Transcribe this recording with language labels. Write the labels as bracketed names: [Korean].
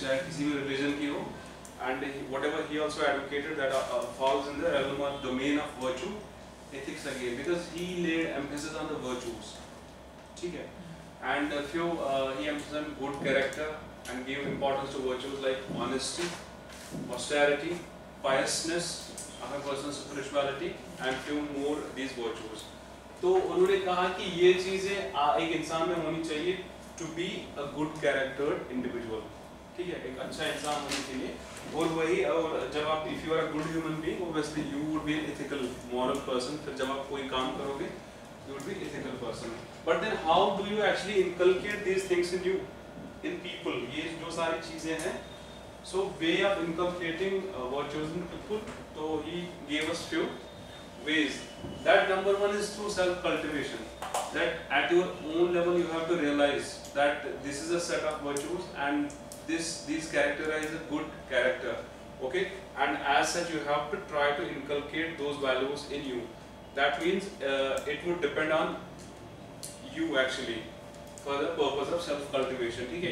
[English] So, [Hindi] kisi bhi religion ki ho, [English] and whatever he also advocated that falls in the realm of domain of virtue ethics again, because he laid emphasis on the virtues. And a few he emphasized on good character and gave importance to virtues like honesty, austerity, piousness, of a person's spirituality, and few more these virtues. [Hindi] तो उन्होंने कहा कि ये चीजें एक इंसान में होनी चाहिए [English] To be a good character individual. ठीक है, [Hindi] एक अच्छा इंसान होने के लिए. [English] और वही और जब आप if you are a good human being obviously you would be an ethical moral person. [Hindi] फिर जब आप कोई काम करोगे [English] You would be ethical person. But then how do you actually inculcate these things in you in people. [Hindi] ये जो सारी चीजें हैं, [English] So way of inculcating virtuous in people, तो he gave us few ways. That number one is through self-cultivation. That at your own level you have to realize that this is a set of virtues and these characterize a good character. Okay? And as such you have to try to inculcate those values in you. That means it would depend on you actually for the purpose of self-cultivation. Okay?